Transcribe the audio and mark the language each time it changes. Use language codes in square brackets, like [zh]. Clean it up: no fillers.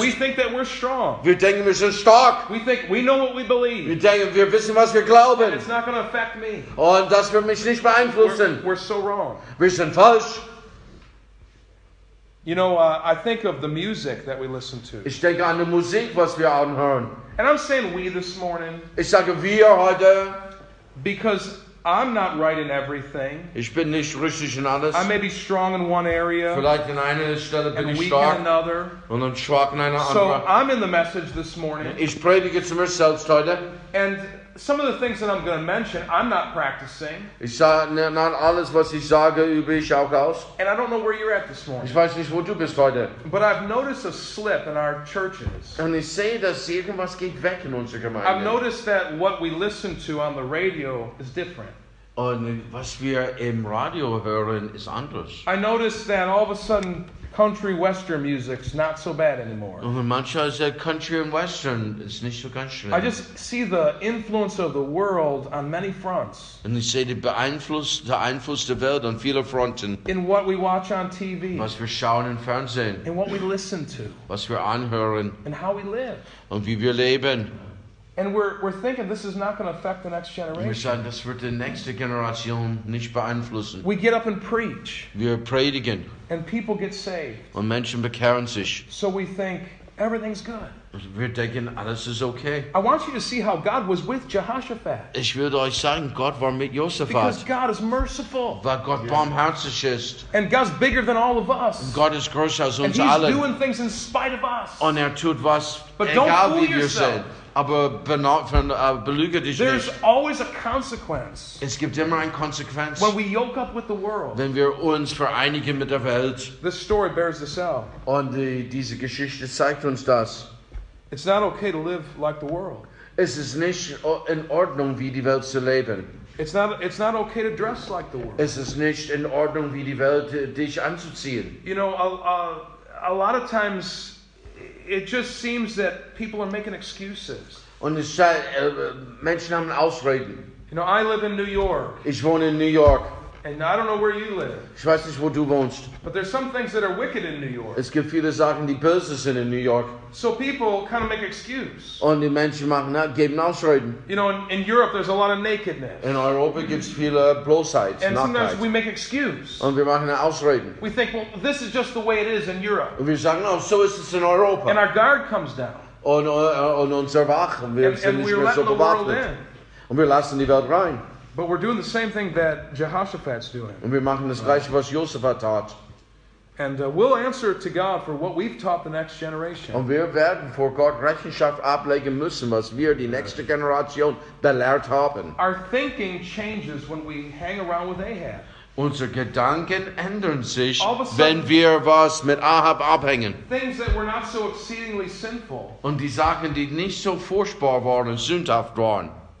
[en] We think that we're strong. [de] Wir denken, wir sind stark. [en] We think we know what we believe. [de] Wir denken, wir wissen, was wir glauben. [en] And it's not going to affect me. [de] Und das wird mich nicht beeinflussen. [en] We're so wrong. [de] Wir sind falsch. [en] You know, I think of the music that we listen to. [de] Ich denke an die Musik, was wir anhören. [en] And I'm saying we this morning. [de] Ich sage wir heute. [en] Because I'm not right in everything. [de] Ich bin nicht richtig in alles. [en] I may be strong in one area. [de] Vielleicht in einer Stelle bin ich [en] weak [de] stark. [en] In another. [de] Und dann schwach in einer [en] so [de] anderen. [en] So I'm in the message this morning. [de] Ich predige zum selbst heute. [en] And some of the things that I'm going to mention, I'm not practicing. [de] Ich sage nicht alles, was ich sage, übe ich auch aus. [en] And I don't know where you're at this morning. [de] Ich weiß nicht, wo du bist heute. [en] But I've noticed a slip in our churches. [de] Und ich sehe, dass irgendwas geht weg in unserer Gemeinde. [en] I've noticed that what we listen to on the radio is different. [de] Und was wir im Radio hören, ist anders. [en] I noticed that all of a sudden country western music's not so bad anymore. [de] Und manchmal ist country and western ist nicht so ganz schlimm. [en] I just see the influence of the world on many fronts. [de] Und ich sehe der Einfluss der Welt an vielen Fronten. [en] In what we watch on TV. [de] Was wir schauen im Fernsehen. [en] In what we listen to. [de] Was wir anhören. [en] And how we live. [de] Und wie wir leben. [en] And we're thinking this is not going to affect the next generation. [de] Wir sagen, das wird die nächste Generation nicht beeinflussen. [en] We get up and preach. [de] Wir predigen. [en] And people get saved. [de] Und Menschen bekehren sich. [en] So we think everything's good. [de] Wir denken, alles ist okay. [en] I want you to see how God was with Jehoshaphat. [de] Ich will euch sagen, Gott war mit Josaphat. [en] Because God is merciful. [de] Weil Gott barmherzig ist. [en] And God's bigger than all of us. [de] Und Gott ist größer als uns alle. [en] And He's doing things in spite of us. [de] Und tut was, [en] but [de] egal, [en] don't fool [de] wie wir [en] yourself. [de] Sind. Aber belüge dich [en] There's [de] nicht. [en] Always a consequence. [de] Es gibt immer eine Konsequenz. [en] When we yoke up with the world. [de] Wenn wir uns vereinigen mit der Welt. [en] This story bears this out. [de] Und diese Geschichte zeigt uns das. [en] It's not okay to live like the world. [de] Es ist nicht in Ordnung, wie die Welt zu leben. [en] It's not okay to dress like the world. [de] Es ist nicht in Ordnung, wie die Welt dich anzuziehen. [en] You know, a lot of times it just seems that people are making excuses. [de] Und es scheint, Menschen haben Ausreden. [en] You know, I live in New York. [de] Ich wohne in New York. [en] And I don't know where you live. [de] Ich weiß nicht, wo du wohnst. [en] But there's some things that are wicked in New York. [de] Es gibt viele Sachen, die böse sind in New York. [en] So people kind of make excuses. [de] Und die Menschen machen geben Ausreden. [en] You know, in Europe there's a lot of nakedness. [de] In Europa gibt's viele Bloßheit. [en] And sometimes we make excuses. [de] Und wir machen Ausreden. [en] We think, well, this is just the way it is in Europe. [de] Und wir sagen, no, so ist es in Europa. [en] And our guard comes down. [de] Und unser Wach, wir sind nicht mehr so bewaffnet. Und wir lassen die Welt rein. [en] But we're doing the same thing that Jehoshaphat's doing. [de] Und wir machen das Gleiche, was Josaphat tat. [en] And we'll answer to God for what we've taught the next generation. [de] Und wir werden vor Gott Rechenschaft ablegen müssen, was wir die nächste Generation belehrt haben. [en] Our thinking changes when we hang around with Ahab. [de] Unsere Gedanken ändern sich, wenn wir was mit Ahab abhängen. [en] Things that were not so exceedingly sinful. [de] Und die Sachen, die nicht so furchtbar waren und sündhaft waren.